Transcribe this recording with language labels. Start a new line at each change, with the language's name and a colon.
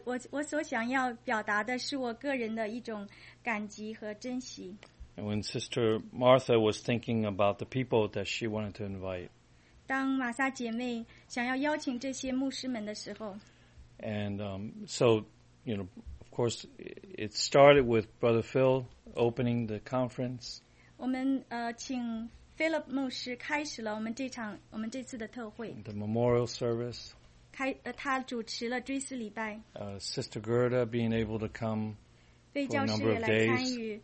Chinese: 我所想要表达的是我个人的一种感激和珍惜。
English: And when Sister Martha was thinking about the people that she wanted to invite,
Chinese: 当玛莎姐妹想要邀请这些牧师们的时候，
English: and so you know, of course, it started with Brother Phil opening the conference.
Chinese: 我们请 Philip 牧师开始了我们这次的特会。
English: The memorial service.
Chinese: 他主持了追思礼拜。
English: Sister Gerda being able to come. For a number of days.